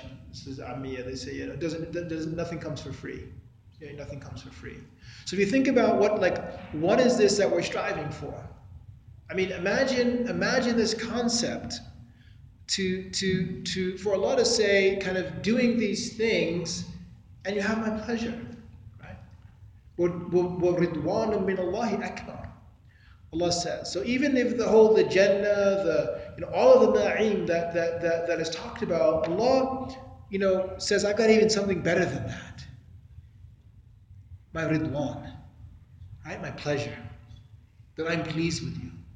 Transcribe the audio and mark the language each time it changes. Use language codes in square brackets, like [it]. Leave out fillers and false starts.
[en] This is Amiya, they say, you know, nothing comes for free. Yeah, nothing comes for free. So if you think about what is this that we're striving for? I mean, imagine this concept to for Allah to say, kind of doing these things, and you have my pleasure. [ar] وَرِضْوَانٌ مِّنَ اللَّهِ أَكْبَرُ [en] Allah says. So even if the Jannah, all of the na'im that is talked about, Allah, you know, says, I've got even something better than that. My ridwan, right? My pleasure. That I'm pleased with you.